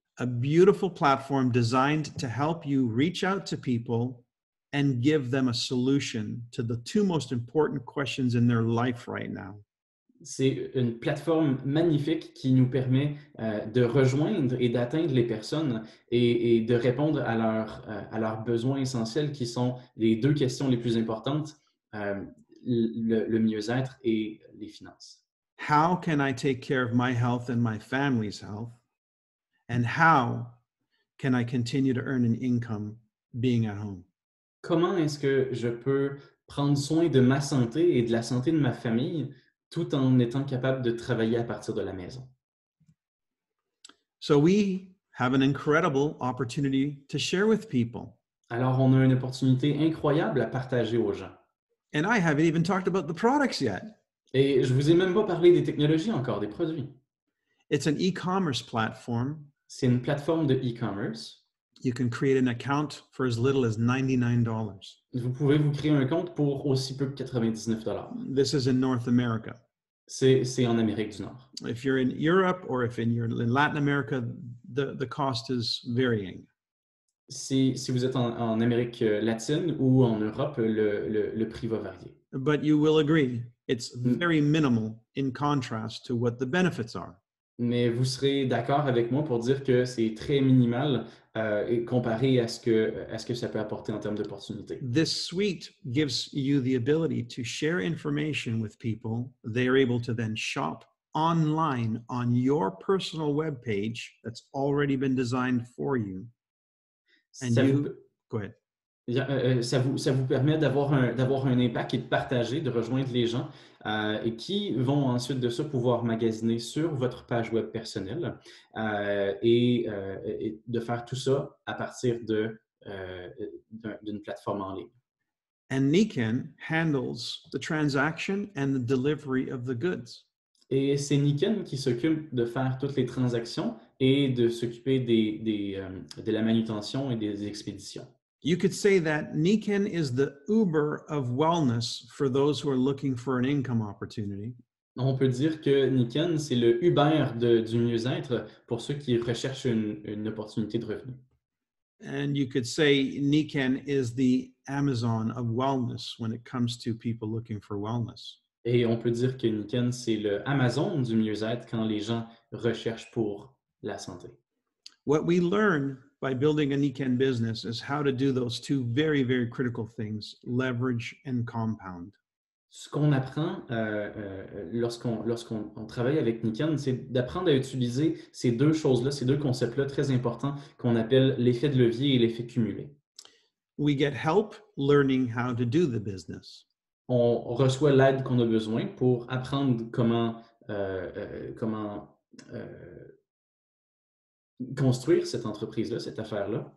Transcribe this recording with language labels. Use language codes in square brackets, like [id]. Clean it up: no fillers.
[en] A beautiful platform designed to help you reach out to people and give them a solution to the two most important questions in their life right now. [fr] C'est une plateforme magnifique qui nous permet de rejoindre et d'atteindre les personnes et de répondre à leurs besoins essentiels qui sont les deux questions les plus importantes, le mieux-être et les finances. [en] How can I take care of my health and my family's health? And how can I continue to earn an income being at home? [fr] Comment est-ce que je peux prendre soin de ma santé et de la santé de ma famille tout en étant capable de travailler à partir de la maison? [en] So we have an incredible opportunity to share with people. [fr] Alors on a une opportunité incroyable à partager aux gens. [en] And I haven't even talked about the products yet. [fr] Et je vous ai même pas parlé des technologies encore, des produits. [en] It's an e-commerce platform. [fr] C'est une plateforme de e-commerce. [en] You can create an account for as little as $99. [fr] Vous pouvez vous créer un compte pour aussi peu que $99. [en] This is in North America. [fr] C'est en Amérique du Nord. [en] If you're in Europe or if you're in Latin America, the cost is varying. [fr] Si vous êtes en Amérique latine ou en Europe, le prix va varier. [en] But you will agree, it's very minimal in contrast to what the benefits are. [fr] Mais vous serez d'accord avec moi pour dire que c'est très minimal comparé à ce que ça peut apporter en termes d'opportunités. [en] This suite gives you the ability to share information with people. They are able to then shop online on your personal web page that's already been designed for you. And ça you vous... go ahead. [fr] Ça vous permet d'avoir un impact et de partager, de rejoindre les gens et qui vont ensuite de ça pouvoir magasiner sur votre page web personnelle et de faire tout ça à partir de d'une plateforme en ligne. [en] And Niken handles the transaction and the delivery of the goods. [fr] Et c'est Niken qui s'occupe de faire toutes les transactions et de s'occuper de la manutention et des expéditions. [en] You could say that Niken is the Uber of wellness for those who are looking for an income opportunity. [fr] On peut dire que Niken c'est le Uber du mieux-être pour ceux qui recherchent une opportunité de revenu. [en] And you could say Niken is the Amazon of wellness when it comes to people looking for wellness. [fr] Et on peut dire que Niken c'est le Amazon du mieux-être quand les gens recherchent pour la santé. [en] What we learn by building a Niken business is how to do those two very, very critical things, leverage and compound. [fr] Ce qu'on apprend lorsqu'on travaille avec Niken, c'est d'apprendre à utiliser ces deux choses-là, ces deux concepts-là très importants qu'on appelle l'effet de levier et l'effet cumulé. [en] We get help learning how to do the business. [fr] On reçoit l'aide qu'on a besoin pour apprendre comment construire cette entreprise-là, cette affaire-là.